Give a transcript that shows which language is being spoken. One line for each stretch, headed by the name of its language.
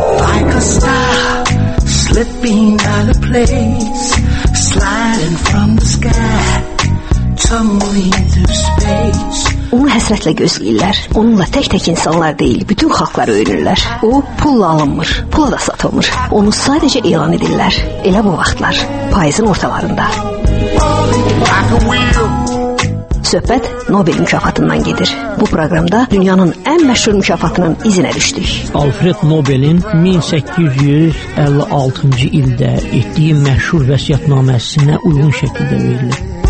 English: Like a star, slipping out of place, sliding from the sky, tumbling through space.
Azerbaijani: Onu həsrətlə gözləyirlər. Onunla tək-tək insanlar deyil, bütün xalqlar öyrülürlər. O, pulla alınmır, pulla da satılmır. Onu sadəcə elan edirlər. Elə bu vaxtlar, payızın ortalarında. Söhbət Nobel mükafatından gedir. Bu proqramda dünyanın ən məşhur mükafatının izinə düşdük. Alfred Nobelin 1856-cı ildə etdiyi məşhur vəsiyyətnaməsinə uyğun şəkildə verilir.